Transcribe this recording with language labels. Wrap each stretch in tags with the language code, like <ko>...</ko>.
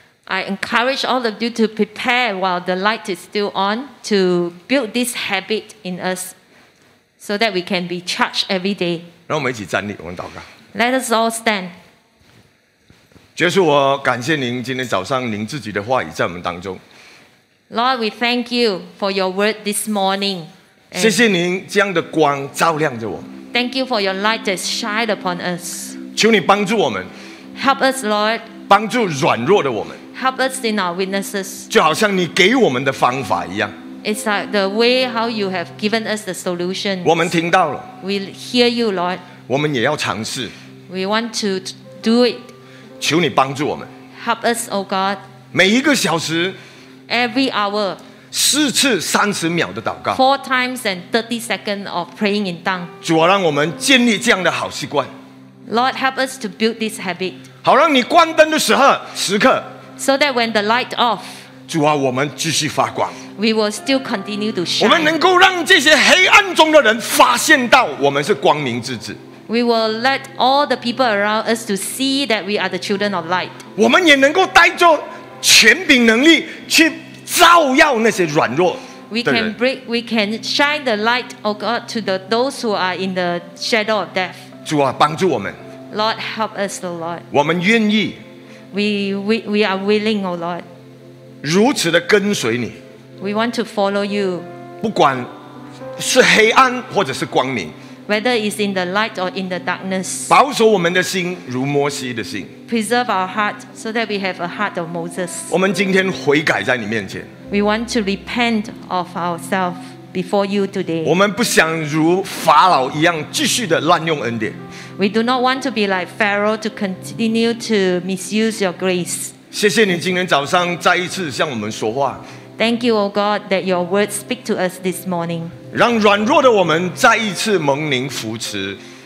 <en>I encourage all of you to prepare while the light is still on to build this habit in us. So that we can be charged every day.</en> <zh>让我们一起站立，我们祷告。</zh> <en>Let us all stand.</en> <zh>主耶稣，我感谢您今天早上您自己的话语在我们当中。</zh> <en>Lord, we thank you for your word this morning.</en> <zh>谢谢您这样的光照亮着我。</zh> <en>Thank you for your light that shined upon us.</en> <zh>求你帮助我们。</zh> <en>Help us, Lord.</en> <zh>帮助软弱的我们。</zh> <en>Help us in our weaknesses.</en> <zh>就好像你给我们的方法一样。</zh> <en>It's like the way how you have given us the solution.</en> <zh>我们听到了。</zh> <en>We hear you, Lord.</en> <zh>我们也要尝试。</zh> <en>We want to do it.</en> <zh>求你帮助我们。</zh> <en>Help us, O God.</en> <zh>每一个小时。</zh> <en>Every hour.</en> <zh>4次30秒的祷告。</zh> <en>Four times and 30 seconds of praying in tongues.</en> <zh>主啊，让我们建立这样的好习惯。</zh> <en>Lord, help us to build this habit.</en> <zh>好让你关灯的时刻。</zh> <en>So that when the light off.</en> <zh>主啊，我们继续发光。</zh> <en>We will still continue to shine.</en> <zh>我们能够让这些黑暗中的人发现到我们是光明之子。</zh> <en>We will let all the people around us to see that we are the children of light.</en> <zh>我们也能够带着权柄能力去照耀那些软弱的人。</zh> <en>We can shine the light, O God, to those who are in the shadow of death.</en> <zh>主啊，帮助我们。</zh> <en>Lord, help us, O Lord.</en> <zh>我们愿意。</zh> <en>We are willing, O Lord.</en> <zh>如此的跟随你。</zh> <en>We want to follow you.</en> <zh>不管是黑暗或者是光明。</zh> <en>Whether it's in the light or in the darkness.</en> <zh>保守我们的心如摩西的心。</zh> <en>Preserve our heart so that we have a heart of Moses.</en> <zh>我们今天悔改在你面前。</zh> <en>We want to repent of ourselves before you today.</en> <zh>我们不想如法老一样继续的滥用恩典。</zh> <en>We do not want to be like Pharaoh to continue to misuse your grace.</en> <zh>谢谢你今天早上再一次向我们说话。</zh> <en>Thank you, O God, that your words speak to us this morning.</en> <zh>让软弱的我们再一次蒙您扶持。</zh>